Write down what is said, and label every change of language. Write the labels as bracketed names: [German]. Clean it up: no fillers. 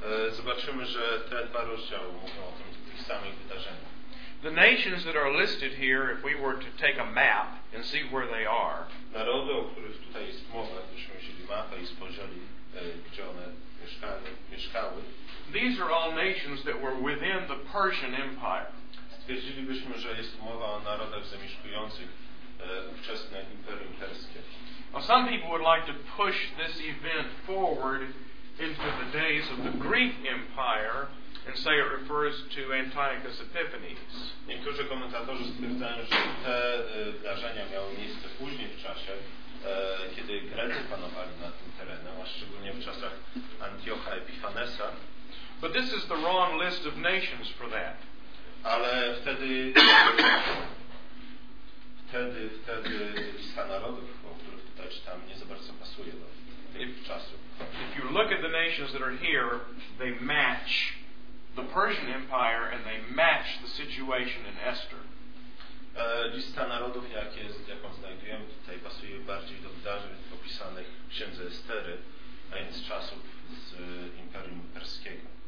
[Polish] Zobaczymy, że te dwa rozdziały mówią o tym, tych samych wydarzeniach. [English] The nations that are listed here, if we were to take a map and see where they are, [Polish] narody, o których tutaj jest mowa, gdybyśmy wzięli mapę i spojrzeli, gdzie one mieszkały, [English] these are all nations that were within the Persian Empire. [Polish] Stwierdzilibyśmy, że jest mowa o narodach zamieszkujących ówczesne Imperium Perskie. [English] Now some people would like to push this event forward into the days of the Greek Empire and say it refers to Antiochus Epiphanes. [Polish] Niektórzy komentatorzy stwierdzają, że te wydarzenia miały miejsce później w czasie, kiedy Grecy panowali nad tym terenem, a szczególnie w czasach Antiocha Epifanesa. [English] But this is the wrong list of nations for that. [Polish] Ale wtedy wtedy lista narodów, o których tutaj czytamy, nie za bardzo pasuje do tych czasów. [English] If you look at the nations that are here, they match the Persian Empire and they match the situation in Esther. [Polish] Lista narodów, jaką znajdujemy tutaj, pasuje bardziej do wydarzeń opisanych w Księdze Estery, a więc czasów z Imperium Perskiego.